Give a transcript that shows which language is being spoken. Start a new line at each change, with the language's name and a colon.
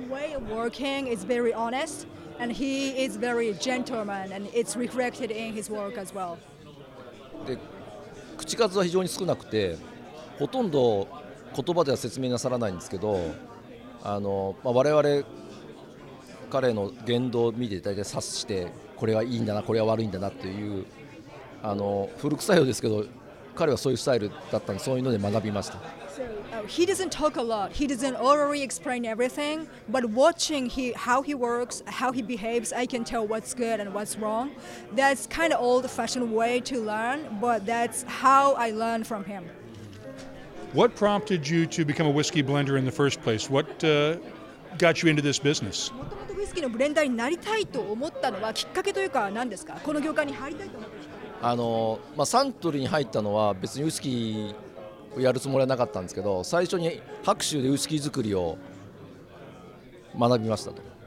English: way of working is very honest, and he is very gentleman, and it's reflected in his work as well.
Japanese: で、口数は非常に少なくて、ほとんど言葉では説明なさらないんですけど、我々彼の言動を見て大体察して、これはいいんだな、これは悪いんだなという、古臭いようですけど、彼はそういうスタイルだったので、そういうので学びました。
English: He doesn't talk a lot. He doesn't orally explain everything. But watching how he works, how he behaves, I can tell what's good and what's wrong. That's kind of old-fashioned way to learn, but that's how I learned from him. What prompted you to become a whiskey blender in the first place? What got you into this business?
Japanese: ウイスキーのブレンダーになりたいと思ったのはきっかけというか何ですか？この業界に入りたいと思ったんですか？サントリーに入ったのは別にウイスキーやるつもりはなかったんですけど、最初に白州でウイスキー作りを学びましたと。